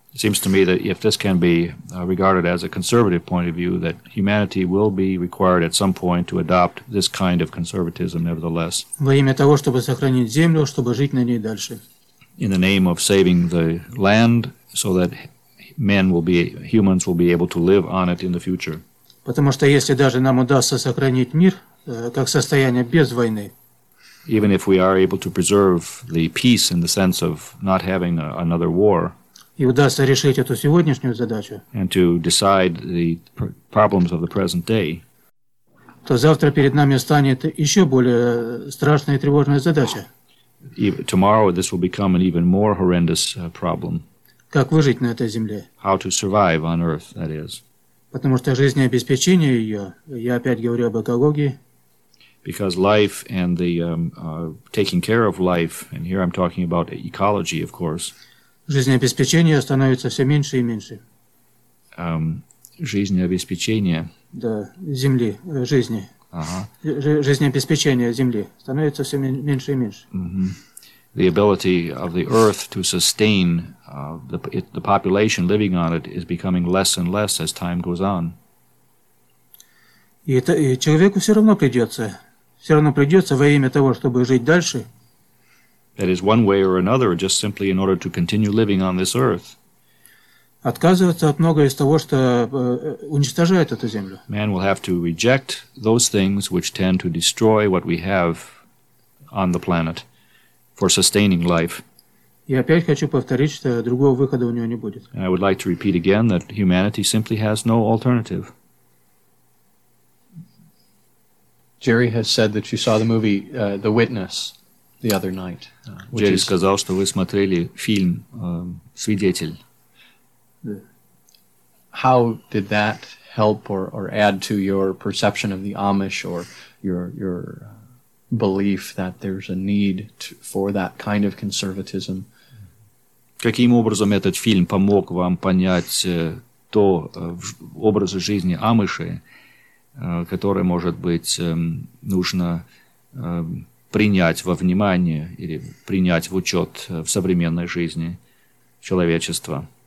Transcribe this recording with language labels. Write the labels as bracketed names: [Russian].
[English] It seems to me that if this can be regarded as a conservative point of view, that humanity will be required at some point to adopt this kind of conservatism nevertheless. [Russian] Во имя того, чтобы сохранить землю, чтобы жить на ней дальше. [English] In the name of saving the land so that humans will be able to live on it in the future. [Russian] Потому что если даже нам удастся сохранить мир как состояние без войны, [English] even if we are able to preserve the peace in the sense of not having another war, [Russian] и удастся решить эту сегодняшнюю задачу, [English] and to decide the problems of the present day, [Russian] то завтра перед нами станет еще более страшная и тревожная задача. [English] Tomorrow this will become an even more horrendous problem. [Russian] Как выжить на этой земле? [English] How to survive on Earth, that is. [Russian] Потому что жизнеобеспечение ее, я опять говорю об экологии. [English] Because life and the taking care of life, and here I'm talking about ecology, of course. [Russian] Жизнеобеспечение становится все меньше и меньше. Жизнеобеспечение. Да, земли, жизни. Uh-huh. Жизнеобеспечение земли становится все меньше и меньше. Mm-hmm. [English] The ability of the Earth to sustain the population living on it is becoming less and less as time goes on. [Russian] И человеку все равно придется во имя того, чтобы жить дальше. [English] That is one way or another, just simply in order to continue living on this Earth. [Russian] Отказываться от многого из того, что уничтожает эту землю. [English] Man will have to reject those things which tend to destroy what we have on the planet for sustaining life. [Russian] И опять хочу повторить, что другого выхода у него не будет. [English] And I would like to repeat again that humanity simply has no alternative. Jerry has said that you saw the movie The Witness the other night. [Russian] Jerry сказал, что вы смотрели фильм «Свидетель». [English] How did that help or add to your perception of the Amish or your belief that there's a need for that kind of conservatism? [Russian] Каким образом этот фильм помог вам понять то образ жизни Амиши, который, может быть, нужно принять во внимание или принять в учет в современной жизни человечества?